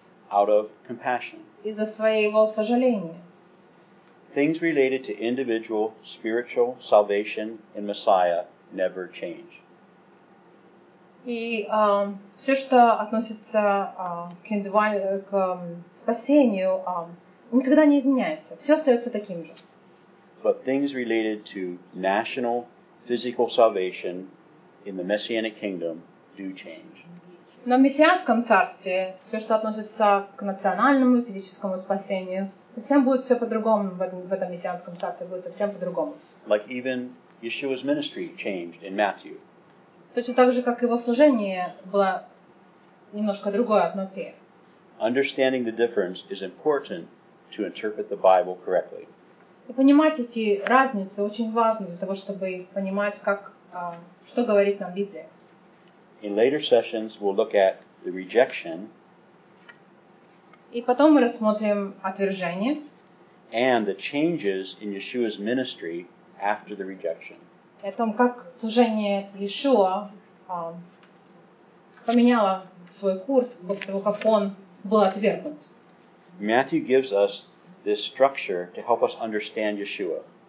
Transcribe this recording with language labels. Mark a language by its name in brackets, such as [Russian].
[English] Out of compassion. [Russian] Из-за своего сожаления. [English] Things related to individual spiritual salvation in Messiah never change. [Russian] И все, что относится к спасению, никогда не изменяется. Все остается таким же. [English] But things related to national physical salvation in the Messianic kingdom do change. [Russian] Но в мессианском царстве все, что относится к национальному и физическому спасению, совсем будет все по-другому. В этом мессианском царстве будет совсем по-другому. [English] Like even Yeshua's ministry changed in Matthew. [Russian] Точно так же, как его служение было немножко другое от Матфея. [English] Understanding the difference is important to interpret the Bible correctly. [Russian] И понимать эти разницы очень важно для того, чтобы понимать, как, что говорит нам Библия. [English] In later sessions we'll look at the rejection. [Russian] И потом мы рассмотрим отвержение. [English] And the changes in Yeshua's ministry after the rejection. [Russian] И о том, как служение Yeshua поменяло свой курс после того, как он был отвергнут. [English] Matthew gives us this structure to help us understand Yeshua.